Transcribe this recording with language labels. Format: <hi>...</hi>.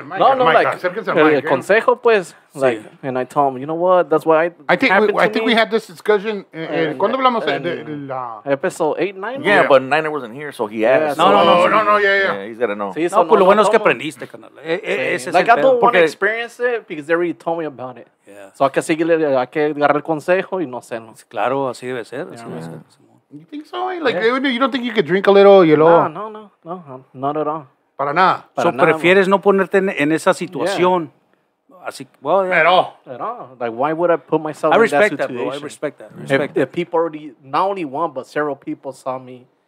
<en>No, no, like,</en> <es>el consejo, pues,</es> <en>like, and I told him, you know what, that's why I think we had this discussion.</en> <es>¿Cuándo hablamos?</es> <en>Episode 8, 9? Yeah, but Niner wasn't here, so he asked. No, yeah. He's got to know.</en> <es>No, lo bueno es que aprendiste, canal.</es> <en>Like, I don't want to experience it because they already told me about it.</en> <es>So hay que seguirle, hay que agarrar el consejo y no sé. Claro, así debe ser. Así debe ser.</es> <en>You think so? Like, you don't think you could drink a little, you know? No, not at all.</en> <es>Para nada. So, prefieres no ponerte en esa situación.</es> <en>Yeah. Así, well, yeah. At all. Like, why would I put myself in that situation? I respect that. If people already, not only one, but several people saw me.</en>